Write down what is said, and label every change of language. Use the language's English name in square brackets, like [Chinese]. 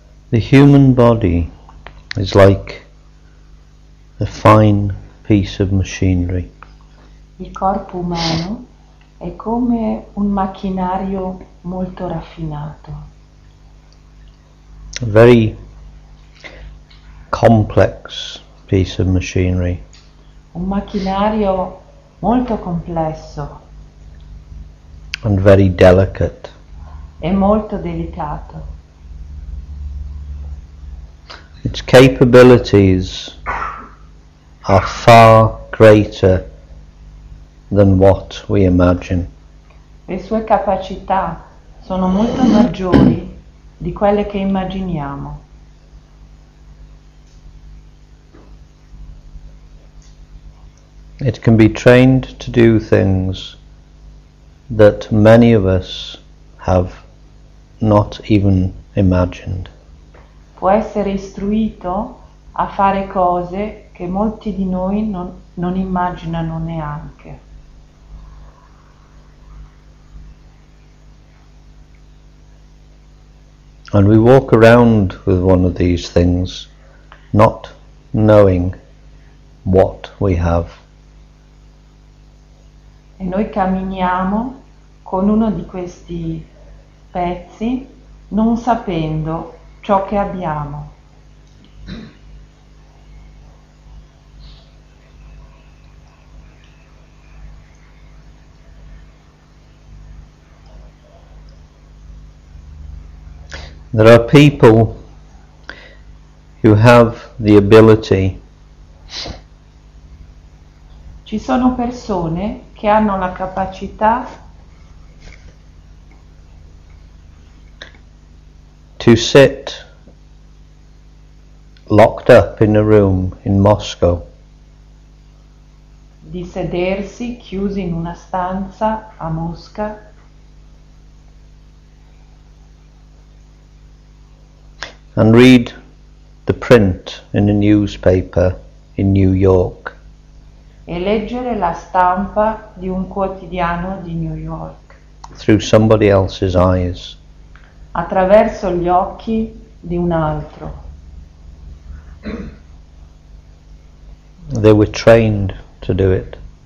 [English] The human body is like a fine piece of machinery. [Italian] Il corpo umano è come un macchinario molto raffinato. [English] A very complex piece of machinery. [Italian] Un macchinario molto complesso. [English] And very delicate. [Italian] E molto delicato. [English] Its capabilities are far greater than what we imagine. [Italian] Le sue capacità sono molto maggiori di quelle che immaginiamo. [English] It can be trained to do things that many of us have not even imagined. [Italian] Può essere istruito a fare cose che molti di noi non immaginano neanche. [English] And we walk around with one of these things, not knowing what we have. [Italian] E noi camminiamo con uno di questi pezzi, non sapendo ciò che abbiamo. [English] There are people who have the ability. [Italian] Ci sono persone che hanno la capacità [English] to sit locked up in a room in Moscow. [Italian] Di sedersi chiusi in una stanza a Mosca. [English] And read the print in a newspaper in New York. [Italian] E leggere la stampa di un quotidiano di New York. [English] Through somebody else's eyes. [Italian] Attraverso gli occhi di un altro. [English] They were trained to do it.